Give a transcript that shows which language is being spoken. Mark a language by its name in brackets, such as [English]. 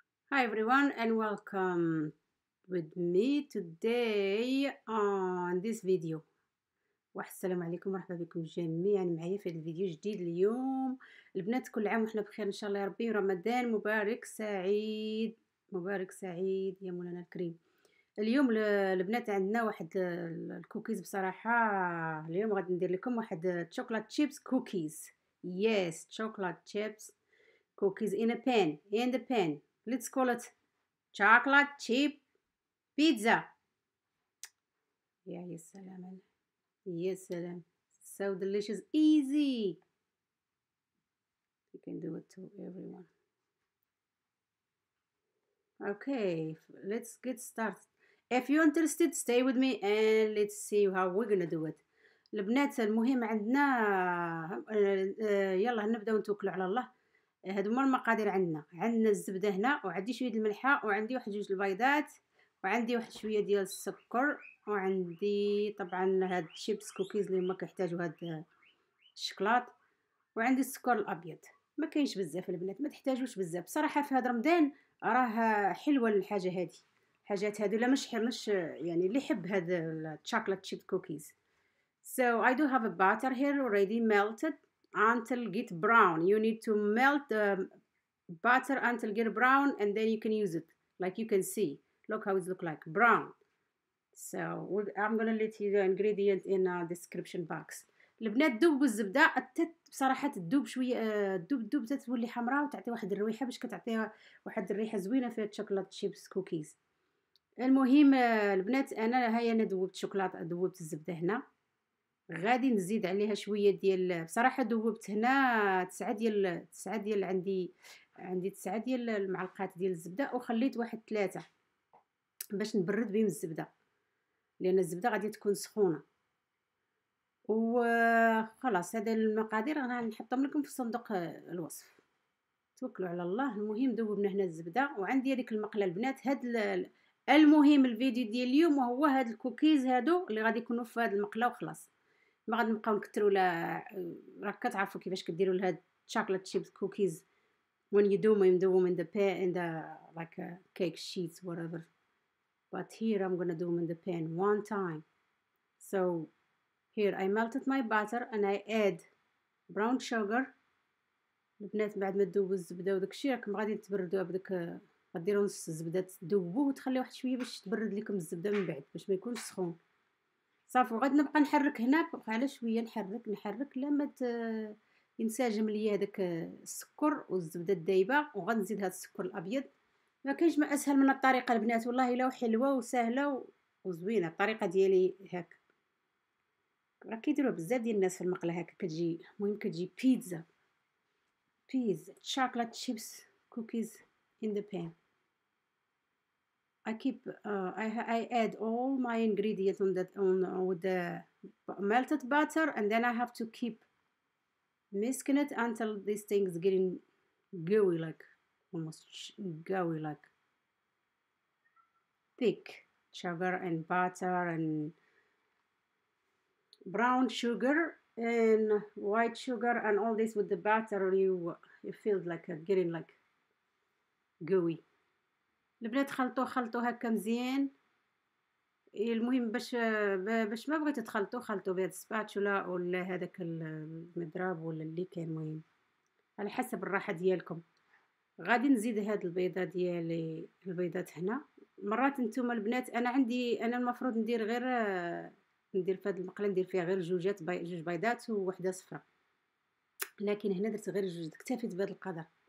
[English] Hi everyone and welcome with me today on this video. [Arabic] السلام عليكم ورحبا بكم جميعا معايا في الفيديو جديد اليوم. البنات كل عام وحنا بخير ان شاء الله يا ربي، رمضان مبارك سعيد مبارك سعيد يا مولانا الكريم. اليوم البنات عندنا واحد الكوكيز، بصراحة اليوم غادي ندير لكم واحد تشوكلات تشيبس كوكيز. [English] Yes chocolate chips cookies in a pan in the pan. Let's call it chocolate chip pizza. Yeah, yes, salam. Yes, salam. So delicious, easy. You can do it to everyone. Okay, let's get started. If you're interested, stay with me and let's see how we're gonna do it. [Arabic] البنات المهم عندنا يلا نبدأ ونتوكل على الله. هادو هما المقادير عندنا. عندنا الزبده هنا، وعندي شويه الملحه، وعندي واحد جوج البيضات، وعندي واحد شويه ديال السكر، وعندي طبعا هاد الشيبس كوكيز اللي هما كيحتاجوا هاد الشكلاط، وعندي السكر الابيض. ما كاينش بزاف البنات، ما تحتاجوش بزاف بصراحه. في هاد رمضان راه حلوه الحاجه هادي، الحاجات هادو لا مش يعني اللي يحب هاد الشوكليت شيب كوكيز. [English] So I do have a butter here already melted until get brown. You need to melt the butter until get brown and then you can use it. Like you can see, look how it look like brown. So I'm gonna let you the ingredient in the description box. [Arabic] البنات دوب الزبدة بصراحة تدوب شوية، دوب تتولي حمراء وتعطي واحد الريحة، باش كتعطيها واحد الريحة زوينة في الشوكولات شيبس كوكيز. المهم البنات انا هيا ندوبت شوكولات، دوبت الزبدة هنا، غادي نزيد عليها شويه ديال، بصراحه دوبت هنا 9 ديال 9 ديال عندي 9 ديال المعلقات ديال الزبده، وخليت واحد 3 باش نبرد بهم الزبده، لان الزبده غادي تكون سخونه. وخلاص هذا المقادير انا نحطهم لكم في صندوق الوصف، توكلوا على الله. المهم دوبنا هنا الزبده، وعندي هذيك المقله البنات. هاد المهم الفيديو ديال اليوم وهو هاد الكوكيز هادو اللي غادي يكونوا في هاد المقله، وخلاص ما غادي نبقاو نكثروا. لا راك كتعرفوا كيفاش كديروا لهاد الشوكليت شيب كوكيز [English] when you do them in the pan in the like cake sheets whatever. [Arabic] But here I'm gonna do them in the pan one time. [English] So here I melted my butter and I add brown sugar. [Arabic] البنات بعد ما تذوبوا الزبده وداك الشيء راكم غادي تبردوها بدك، غديروا نص الزبده تذوبوه وتخليه واحد شويه باش تبرد لكم الزبده من بعد، باش ما يكونش سخون. صافي غادي نبقى نحرك هنا على شويه، نحرك لما ينسجم ليا هذاك السكر والزبده الدايبه، وغنزيد هذا السكر الابيض. ما كاينش ما اسهل من الطريقه البنات، والله الا حلوه وسهله وزوينه الطريقه ديالي هكا. راه كيديروا بزاف ديال الناس في المقله هكا، كتجي المهم كتجي بيتزا شوكليت شيبس كوكيز [English] In the pan. I keep I add all my ingredients on that on with the melted butter and then I have to keep mixing it until this thing is getting gooey, like almost gooey, like thick sugar and butter and brown sugar and white sugar and all this with the butter. You feel like getting like gooey. [Arabic] البنات خلطوا هكا مزيان. المهم باش ما بغيتو تخلطوا بهاد السباتولا ولا هذاك المضرب ولا اللي كان، المهم على حسب الراحه ديالكم. غادي نزيد هاد البيضه ديالي، البيضات هنا. مرات نتوما البنات انا عندي، انا المفروض ندير غير ندير فهاد المقله ندير فيها غير جوجات جوج بيضات وواحده صفراء، لكن هنا درت غير جوج، اكتفيت بهذا القدر.